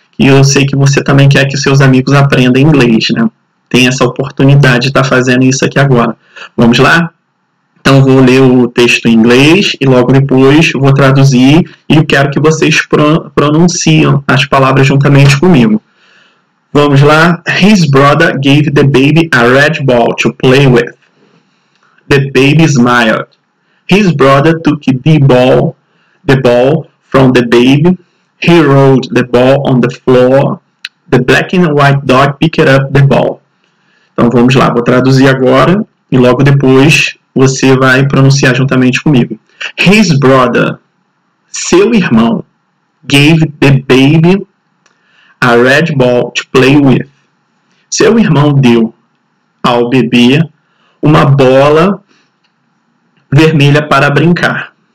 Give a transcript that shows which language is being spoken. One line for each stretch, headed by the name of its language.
Portuguese: E eu sei que você também quer que seus amigos aprendam inglês, né? Tem essa oportunidade de estar fazendo isso aqui agora. Vamos lá? Então, vou ler o texto em inglês e logo depois vou traduzir e quero que vocês pronunciem as palavras juntamente comigo. Vamos lá?
English: His brother gave the baby a red ball to play with. The baby smiled. His brother took the ball from the baby. He rolled the ball on the floor. The black and white dog picked up the ball.
Portuguese: Então vamos lá, vou traduzir agora e logo depois você vai pronunciar juntamente comigo.
English: His brother,
Portuguese: seu irmão,
English: gave the baby a red ball to play with.
Portuguese: Seu irmão deu ao bebê uma bola vermelha para brincar.